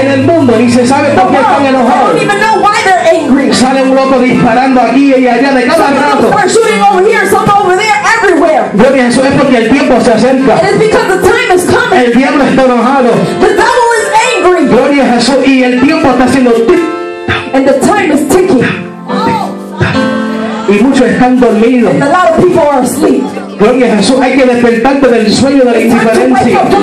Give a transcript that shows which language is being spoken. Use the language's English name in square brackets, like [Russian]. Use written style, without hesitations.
[Spanish] En el mundo ni se sabe por qué están enojados. [English] They don't even know why they're angry. [Spanish] Sale un loco disparando aquí y allá de cada [English] some [Spanish] rato. [English] Some are shooting over here, some over there, everywhere. [Spanish] Gloria a Jesús, es porque el tiempo se acerca. [English] It is because the time is coming. [Spanish] El diablo está enojado. [English] The devil is angry. [Spanish] Gloria a Jesús, y el tiempo está haciendo tic. [English] And the time is ticking. [Spanish] Y muchos están dormidos. [English] And a lot of people are asleep. [Spanish] Gloria a Jesús, hay que despertarte del sueño de la indiferencia.